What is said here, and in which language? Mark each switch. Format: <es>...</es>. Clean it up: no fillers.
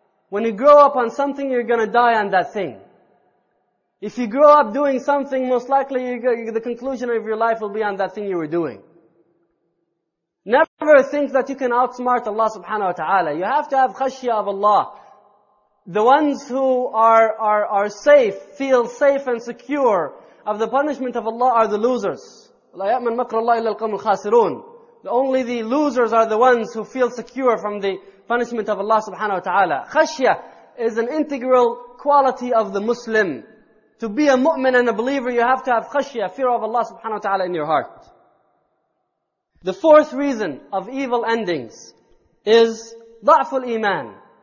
<en>When you grow up on something, you're going to die on that thing. If you grow up doing something, most likely the conclusion of your life will be on that thing you were doing. Never think that you can outsmart Allah subhanahu wa ta'ala. You have to have khashya of Allah. The ones who are safe, feel safe and secure of the punishment of Allah are the losers.</en> <ar>لا يأمن مكر الله إلا القوم الخاسرون.</ar> <en>Only the losers are the ones who feel secure from the punishment of Allah subhanahu wa ta'ala. Khashya is an integral quality of the Muslim. To be a mu'min and a believer, you have to have khashya, fear of Allah subhanahu wa ta'ala in your heart. The fourth reason of evil endings is</en> <ar>ضعفُ الإيمان.</ar>